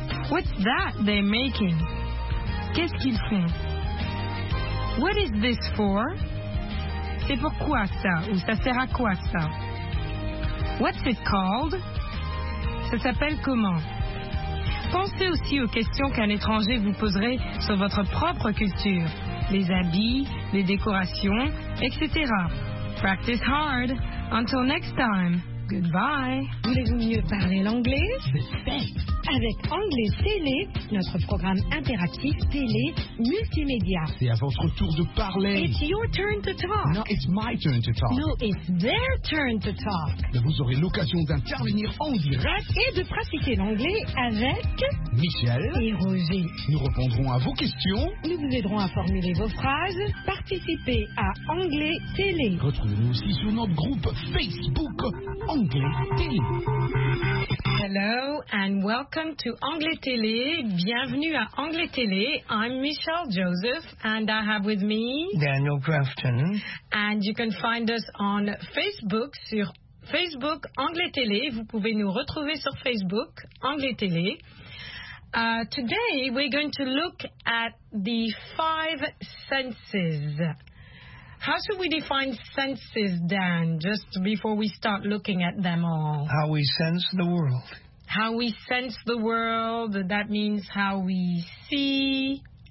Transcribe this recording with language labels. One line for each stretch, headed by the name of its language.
English: What's that they're making?
French: Qu'est-ce qu'ils font?
English: What is this for?
French: C'est pourquoi ça? Ou ça sert à quoi ça?
English: What's it called?
French: Ça s'appelle comment? Pensez aussi aux questions qu'un étranger vous poserait sur votre propre culture. Les habits, les décorations, etc.
English: Practice hard. Until next time. Goodbye.
French: Voulez-vous mieux parler l'anglais? Super. Avec Anglais Télé, notre programme interactif télé multimédia. C'est à votre tour de parler.
English: It's your turn to talk. No, it's my turn to talk. No, it's their turn to talk.
French: Mais vous aurez l'occasion d'intervenir en direct et de pratiquer l'anglais avec Michel et Roger. Nous répondrons à vos questions. Nous vous aiderons à formuler vos phrases. Participez à Anglais Télé. Retrouvez-nous aussi sur notre groupe Facebook Anglais Télé.
English: Hello and welcome to Anglais Télé.
French: Bienvenue à Anglais Télé.
English: I'm Michelle Joseph and I have with me Daniel Grafton. And you can find us on Facebook,
French: sur Facebook Anglais Télé. Vous pouvez nous retrouver sur Facebook Anglais Télé.
English: Today we're going to look at the five senses. How should we define senses, Dan, just before we start looking at them all? How we sense the world. How we sense the world, that means how we see.